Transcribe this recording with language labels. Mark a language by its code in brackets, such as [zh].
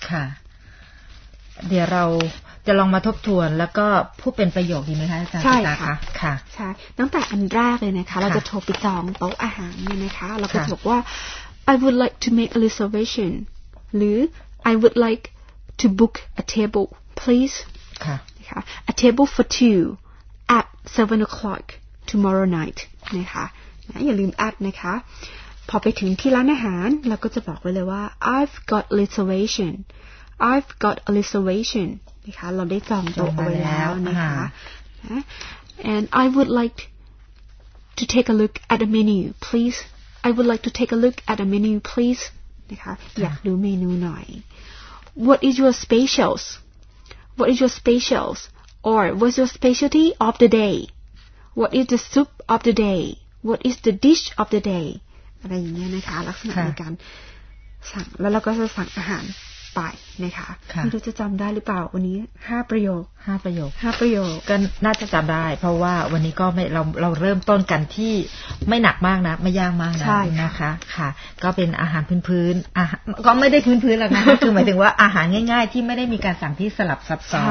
[th] ค่ะเดี๋ยวเราจะลองมาทบทวนแล้วก็พูดเป็นประโยคดีไหมคะอาจารย์ ใช่ ค่ ะ ค่ ะ ใช่ตั้งแต่อันแรกเลยนะคะเราจะโทรไปจองโต๊ะอาหารเนี่ยนะคะเราก็บอกว่า [en] I would like to make a reservation [th] หรือ [en] I would like to book a table please ค่ะ A table for two at 7 o'clock tomorrow night. [th] นะคะ นะ อย่าลืม at นะคะ พอไปถึงที่ร้านอาหาร เราก็จะบอกไว้เลยว่า [en] I've got a reservation. I've got a reservation. [th] นะคะ เราได้จองโต๊ะเอาไว้แล้วนะคะ [en] And I would like to take a look at the menu, please. I would like to take a look at the menu, please. [th] นะคะ อยากดูเมนูหน่อย [en] What is your specials? What is your specials? Or what's your specialty of the day? What is the soup of the day? What is the dish of the day? [th] อะไรอย่างเงี้ยนะคะลักษณะในการสั่งแล้วเราก็จะสั่งอาหารไปนะคะไม่รู้จะจำได้หรือเปล่าวันนี้5ประโยค 5ประโยค 5ประโยค ก็น่าจะจำได้เพราะว่าวันนี้ก็เราเริ่มต้นกันที่ไม่หนักมากนะไม่ยากมากนะนะคะค่ะก็เป็นอาหารพื้นๆอ่ะก็ไม่ได้พื้นหรอกนะคือหมายถึงว่าอาหารง่ายๆที่ไม่ได้มีการสั่งที่สลับซับซ้อน